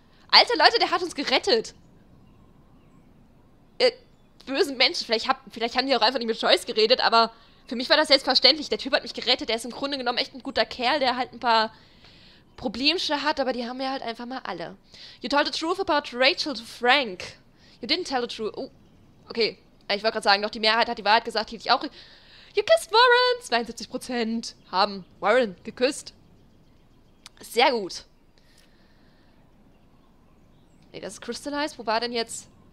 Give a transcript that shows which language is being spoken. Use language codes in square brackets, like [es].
[de] Alter Leute, der hat uns gerettet. Bösen Menschen. Vielleicht haben die auch einfach nicht mit Joyce geredet, aber... Für mich war das selbstverständlich. Der Typ hat mich gerettet. Der ist im Grunde genommen echt ein guter Kerl, der halt ein paar Problemchen hat, aber die haben wir halt einfach mal alle. [en] You told the truth about Rachel to Frank. You didn't tell the truth. [de] Oh, okay. Ich wollte gerade sagen, doch die Mehrheit hat die Wahrheit gesagt, hielt ich auch. [en] You kissed Warren! [de] 72% haben Warren geküsst. Sehr gut. Nee, das ist Crystallized. Wo war denn jetzt?